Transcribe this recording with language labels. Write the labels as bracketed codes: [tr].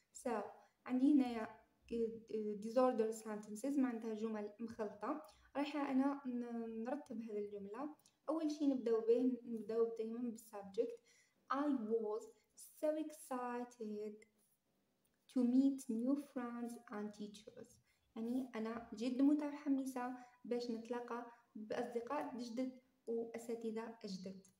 [ar] So عندي هنا [en] disorder sentences [ar] معناتها جمل مخلطة. رايحة أنا نرتب هذه الجملة. أول شيء نبدأ دائما بالسبجكت. [en] I was so excited to meet new friends and teachers. [ar] يعني أنا جد متحمسة باش نتلقى بأصدقاء جدد وأساتذة أجدد.